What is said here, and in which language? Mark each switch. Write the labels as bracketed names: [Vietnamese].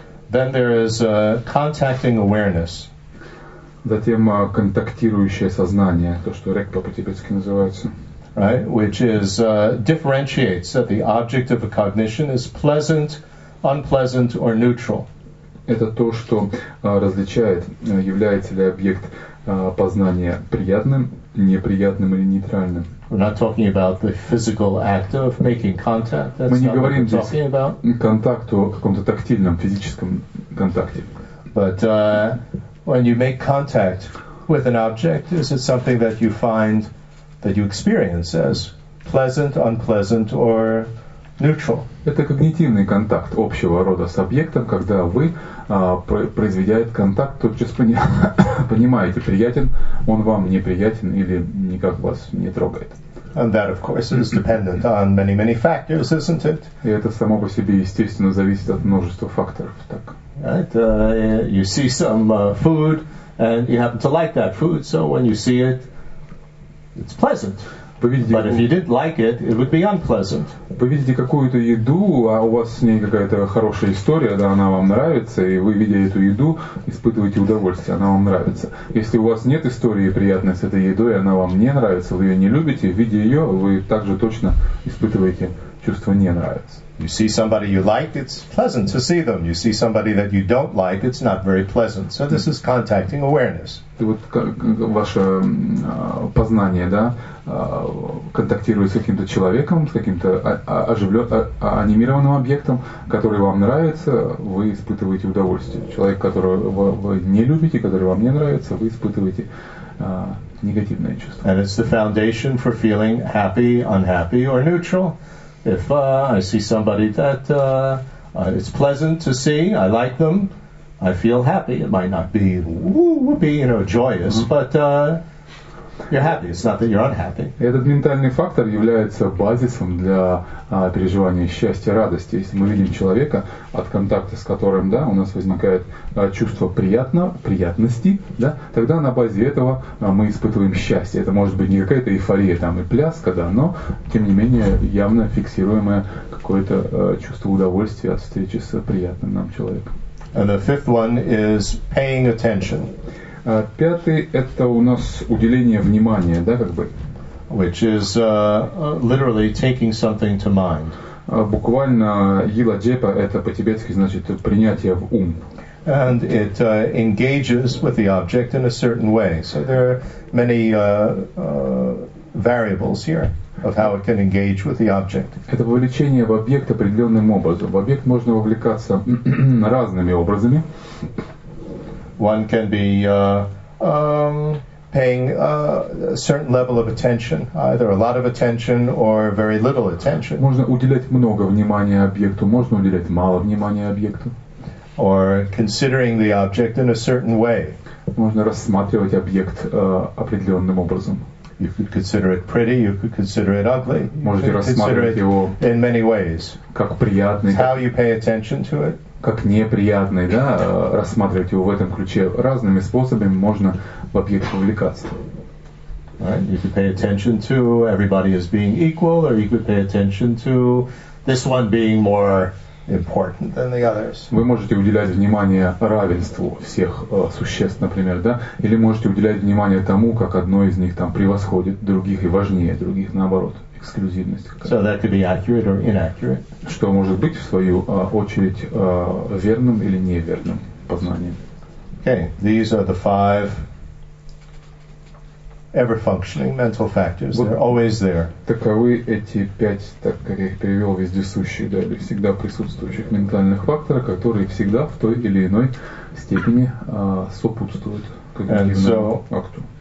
[English] Then there is a contacting awareness. [Russian] Затем контактирующее сознание, то, что рекпа по-тибетски называется. [English] Right, which is differentiates that the object of a cognition is pleasant, unpleasant, or neutral. [Russian] Это то, что различает, является ли объект познания приятным, неприятным или нейтральным. [English] We're not talking about the physical act of making contact. That's [Russian] Мы не [English] not [Russian] говорим [English] what we're talking about. [Russian] Контакт о каком-то тактильном, физическом контакте. [English] But when you make contact with an object, is it something that you find, that you experience as pleasant, unpleasant, or neutral? [Russian] Это когнитивный контакт общего рода с объектом, когда вы, произведя этот контакт, тотчас понимаете, приятен он вам, неприятен или никак вас не трогает. [English] And that, of course, is dependent on many, many factors, isn't it? [Russian] И это само по себе, естественно, зависит от множества факторов. Так. [English] Right? You see some food, and you happen to like that food, so when you see it, it's pleasant. But if you didn't like it, it would be unpleasant. [Russian] Вы видите какую-то еду, а у вас с ней какая-то хорошая история, да, она вам нравится, и вы, видя эту еду, испытываете удовольствие, она вам нравится. Если у вас нет истории приятной с этой едой, она вам не нравится, вы ее не любите, видя ее, вы также точно испытываете чувство «не нравится». [English] You see somebody you like, it's pleasant to see them. You see somebody that you don't like, it's not very pleasant. So this is contacting awareness. [Russian] Вот ваше познание, да, контактирует с каким-то человеком, с каким-то анимированным объектом, который вам нравится, вы испытываете удовольствие. Человек, которого вы не любите, который вам не нравится, вы испытываете негативное чувство. [English] And it's the foundation for feeling happy, unhappy, or neutral. If I see somebody that it's pleasant to see, I like them, I feel happy. It might not be whoopee, you know, joyous, mm-hmm. but you're happy. It's not that you're unhappy. [Russian] Этот ментальный фактор является базисом для переживания счастья, радости. Если мы видим человека, от контакта с которым, да, у нас возникает чувство приятности, да, тогда на базе этого мы испытываем счастье. Это может быть не какая-то эйфория там и пляска, да, но тем не менее явно фиксируемое какое-то чувство удовольствия от встречи с приятным нам человеком. [English] And the fifth one is paying attention. [Russian] Пятый – это у нас уделение внимания, да, как бы? [English] Which is literally taking something to mind. [Russian] Буквально «йила джепа» – это по-тибетски значит «принятие в ум». [English] And it engages with the object in a certain way. So there are many variables here of how it can engage with the object. [Russian] Это вовлечение в объект определенным образом. В объект можно вовлекаться разными образами. [English] One can be paying a certain level of attention, either a lot of attention or very little attention. [Russian] Можно уделять много внимания объекту, можно уделять мало внимания объекту. [English] Or considering the object in a certain way. [Russian] Можно рассматривать объект определенным образом. [English] You could consider it pretty, you could consider it ugly. [Russian] Можете рассматривать его [English] in many ways. [Russian] Как приятный. [English] How you pay attention to it. [Russian] Как неприятный, да, рассматривать его в этом ключе разными способами можно в объект вовлекаться. [English] Right? You could pay attention to everybody as being equal, or you could pay attention to this one being more important than the others. [Russian] Вы можете уделять внимание равенству всех существ, например, да, или можете уделять внимание тому, как одно из них там превосходит других и важнее других, наоборот. Эксклюзивность. [English] So that could be accurate or inaccurate. [Russian] Что может быть в свою очередь верным или неверным познанием? [English] Okay, these are the five ever-functioning mental factors. [Russian] Вот [English] they're always there. [Russian] Таковы эти пять, так как я их перевел, вездесущих, да, или всегда присутствующих ментальных факторов, которые всегда в той или иной степени сопутствуют когнитивному акту.